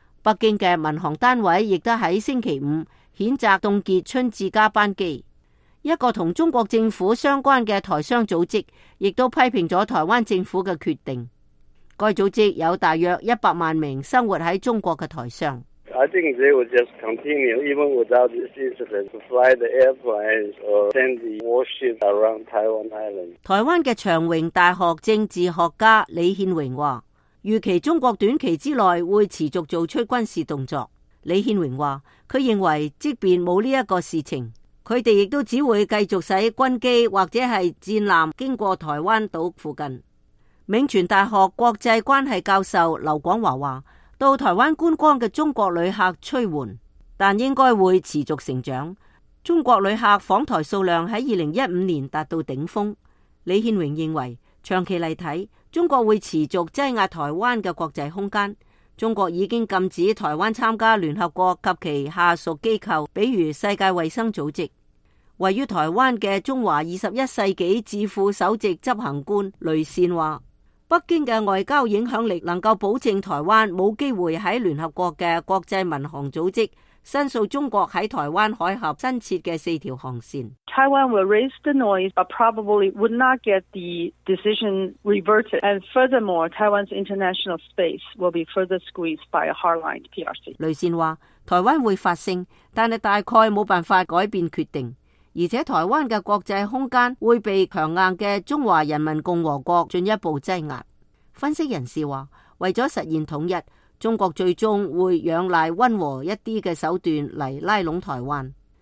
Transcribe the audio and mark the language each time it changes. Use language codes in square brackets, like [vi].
[zh] 北京的民航单位亦都在星期五谴责冻结春节加班机。一个与中国政府相关的台商组织亦都批评了台湾政府的决定。该组织有大约100万名生活在中国的台商。 [en] I think they will just continue even without this incident to fly the airplanes or send the warships around Taiwan Island. [zh] 台湾的长荣大学政治学家李宪荣说，预期中国短期之内会持续做出军事动作。李宪荣说，他认为即便没有这个事情，他们亦都只会继续使军机或者是战舰经过台湾岛附近。铭传大学国际关系教授刘广华说，到台湾观光的中国旅客趋缓，但应该会持续成长。中国旅客访台数量在2015年达到顶峰。李宪荣认为长期来看，中国会持续挤压台湾的国际空间。中国已经禁止台湾参加联合国及其下属机构，比如世界卫生组织。位于台湾的中华二十一世纪智库首席执行官雷善说，北京的外交影响力能够保证台湾没有机会在联合国的国际民航组织申诉中国在台湾海峡增设的四条航线。 [en] Taiwan will raise the noise, but probably would not get the decision reverted. And furthermore, Taiwan's international space will be further squeezed by a hardline PRC. [zh] 雷善说，台湾会发声，但是大概没办法改变决定。而且台湾的国际空间会被强硬的中华人民共和国进一步挤压。分析人士说，为了实现统一，中国最终会仰赖温和一些的手段来拉拢台湾。